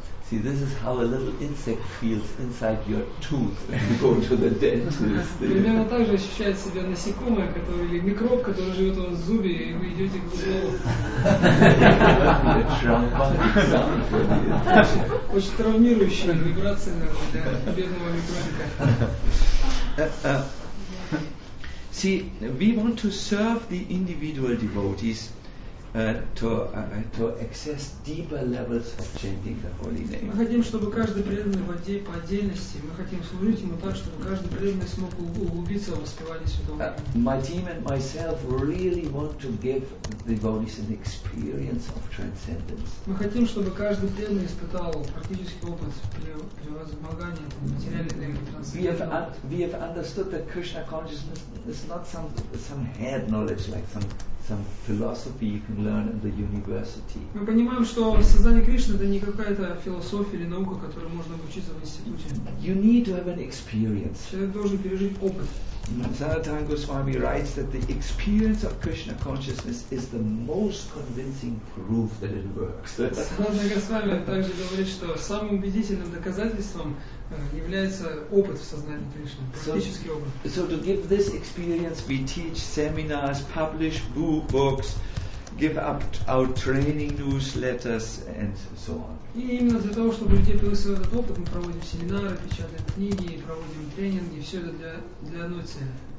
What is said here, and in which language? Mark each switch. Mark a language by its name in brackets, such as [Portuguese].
[English] See, this is how a little insect feels inside your tooth when you go to the dentist. [Russian] Примерно так же ощущает себя насекомое, которое или микроб, который живет у вас в зубе, и вы идете к зубному. Очень травмирующая вибрация для бедного микробика. [English] See, we want to serve the individual devotees. To access deeper levels of chanting the holy name. [Russian] Мы хотим, чтобы каждый преданный в отдельности, по отдельности, мы хотим служить ему так, чтобы каждый преданный смог углубиться в воспевание святого. [English] My team and myself really want to give the devotees an experience of transcendence. [Russian] Мы хотим, чтобы каждый преданный испытал практический опыт превозмогания материальной трансценденции. [English] We have understood that Krishna consciousness is not some head knowledge like some philosophy you can learn in the university. [Russian] Мы понимаем, что сознание Кришны это не какая-то философия или наука, которую можно обучиться в институте. [English] You need to have an experience. [Russian] Человек должен пережить опыт. [English] Sanatana Goswami writes that the experience of Krishna consciousness is the most convincing proof that it works. [Russian] Sanatana Goswami также говорит, что самым убедительным доказательством является опыт в сознании Кришны, практический опыт. [English] So to give this experience, we teach seminars, publish books, give out training newsletters, and so on. [Russian] И именно для того, чтобы людей получил этот опыт, мы проводим семинары, печатаем книги, проводим тренинги, все это для одной цели.